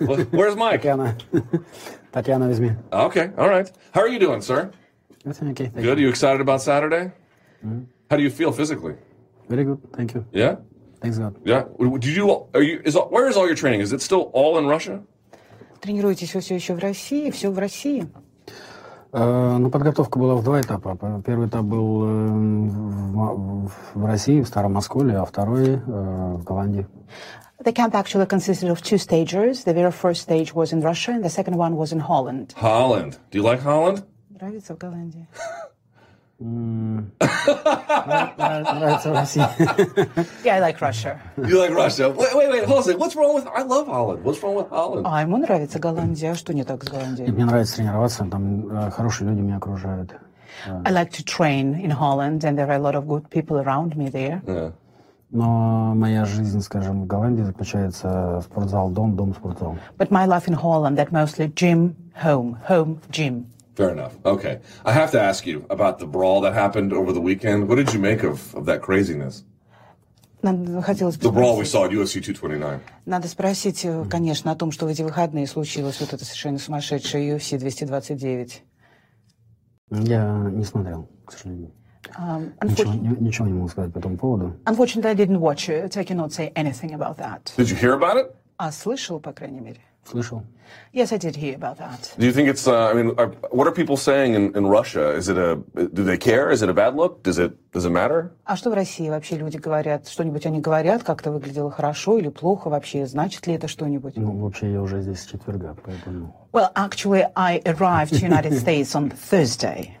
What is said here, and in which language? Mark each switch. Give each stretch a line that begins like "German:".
English: Where's Mike? Tatiana is me. Okay. All right. How are you doing, sir? Okay. Good. Are you excited about Saturday? Mm-hmm. How do you feel physically? Very good. Thank you. Yeah? Thanks, God. Yeah. Where is all your training? Is it still all in Russia?
Russian: Тренируетесь все еще в России, все в России. Ну, подготовка была в два этапа. Первый этап был в России, в Старом Осколе, а второй в Голландии.
English: The camp actually consisted of two stages. The very first stage was in Russia, and the second one was in Holland. Holland. Do you like Holland?
Russian: Нравится в Голландии.
English: Yeah, I like Russia. You like Russia? Wait, hold on a second. I love Holland. What's wrong with Holland?
Russian: А ему нравится Голландия. Что не так с Голландией? Мне нравится тренироваться. Там хорошие люди меня окружают.
English: I like to train in Holland, and there are a lot of good people around me there.
Russian: Но моя жизнь, скажем, в Голландии заключается в спортзал, дом, спортзал.
English: But my life in Holland, that mostly gym, home, gym. Fair enough. Okay. I have to ask you about the brawl that happened over the weekend. What did you make of that craziness? The brawl we saw at UFC 229.
Russian: Надо спросить, конечно, о том, что в эти выходные случилось вот это совершенно сумасшедшее UFC 229. Я не смотрел, к сожалению. Ничего не могу сказать по этому поводу.
English: Unfortunately, I didn't watch it. I cannot say anything about that. Did you hear about it?
Russian: А слышал, по крайней мере. Слышал.
English: Yes, I did hear about that. Do you think it's, what are people saying in Russia? Is it a, do they care? Is it a bad look? Does it matter?
Russian: А что в России вообще люди говорят? Что-нибудь они говорят? Как это выглядело хорошо или плохо вообще? Значит ли это что-нибудь? Ну, вообще, я уже здесь с четверга, поэтому...
English: Well, actually, I arrived to the United States on Thursday.